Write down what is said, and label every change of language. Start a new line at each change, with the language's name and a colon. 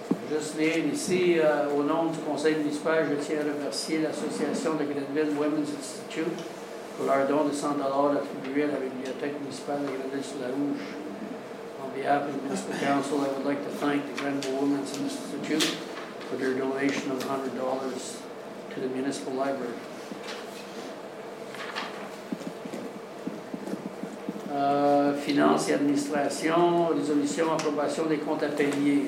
French: Je viens ici au nom du conseil municipal. Je tiens à remercier l'association de Grenville Women's Institute pour leur don de 100 $ attribué à la bibliothèque municipale de Grenville-sur-la-Rouge.
English: On behalf of the municipal council, I would like to thank the Grenville Women's Institute for their donation of $100 to the municipal library.
French: Finances et administration, résolution, approbation des comptes à payer.